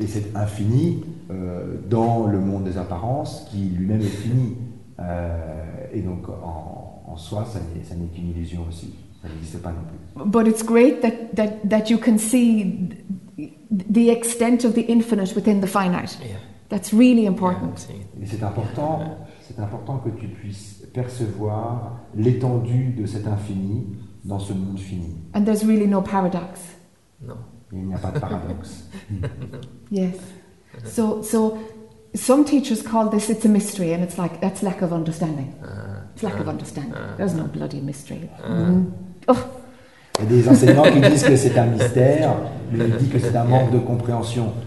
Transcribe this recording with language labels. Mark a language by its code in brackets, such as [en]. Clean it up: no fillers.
[fr] Et c'est infini dans le monde des apparences qui lui-même est fini. Et donc en soi, ça n'est qu'une illusion aussi. Ça n'existe pas non plus. [en] But it's great that you can see the extent of the infinite within the finite. Yeah. That's really important. [fr] Yeah, et c'est important que tu puisses percevoir l'étendue de cet infini dans ce monde fini. [en] And there's really no paradox. No. [fr] Il n'y a pas de paradoxe. [en] Yes. So some teachers call this it's a mystery, and it's like that's lack of understanding. It's lack of understanding. There's no bloody mystery. [fr] Il y a des enseignants qui disent que c'est un mystère, mais ils disent que c'est un manque de compréhension.